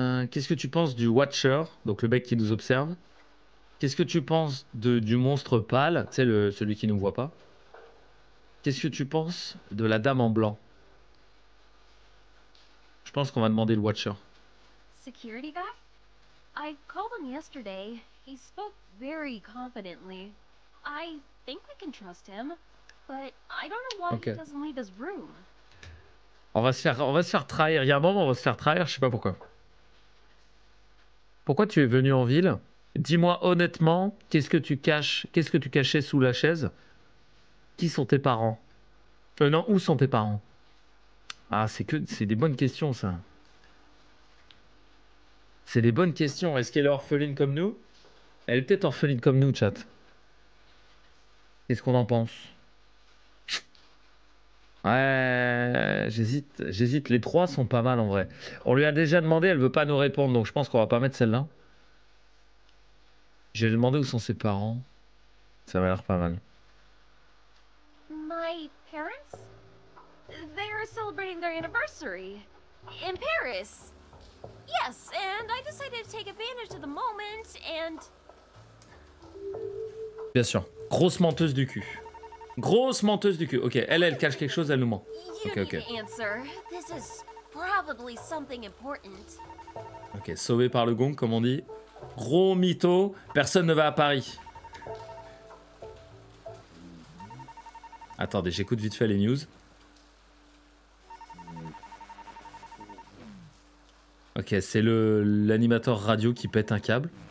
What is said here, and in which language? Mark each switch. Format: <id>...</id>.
<fr>Qu'est-ce que tu penses du Watcher, donc le mec qui nous observe? Qu'est-ce que tu penses du monstre pâle, c'est celui qui ne nous voit pas? Qu'est-ce que tu penses de la dame en blanc? Je pense qu'on va demander le Watcher.</fr> <en>Security guy? I called him yesterday. He spoke very confidently. I think we can trust him, but I don't know why he doesn't leave his room.</en> <fr>On va se faire trahir. Il y a un moment, on va se faire trahir. Je sais pas pourquoi. Pourquoi tu es venu en ville? Dis-moi honnêtement, qu'est-ce que tu cachais sous la chaise? Qui sont tes parents? Non, où sont tes parents? Ah, c'est des bonnes questions, ça. C'est des bonnes questions. Est-ce qu'elle est orpheline comme nous? Elle est peut-être orpheline comme nous, chat. Qu'est-ce qu'on en pense? Ouais, j'hésite. Les trois sont pas mal en vrai. On lui a déjà demandé, elle veut pas nous répondre, donc je pense qu'on va pas mettre celle-là. J'ai demandé où sont ses parents. Ça m'a l'air pas mal.</fr> <en>My parents? They're celebrating their anniversary in Paris. Yes, and I decided to take advantage of the moment and.</en> <fr>Bien sûr, grosse menteuse du cul. Ok, elle cache quelque chose, elle nous ment.</fr> <en>You okay, need to answer. This is probably something important.</en> <fr>Ok, sauvé par le gong, comme on dit. Gros mytho, personne ne va à Paris. Attendez, j'écoute vite fait les news. Ok, c'est l'animateur radio qui pète un câble.</fr>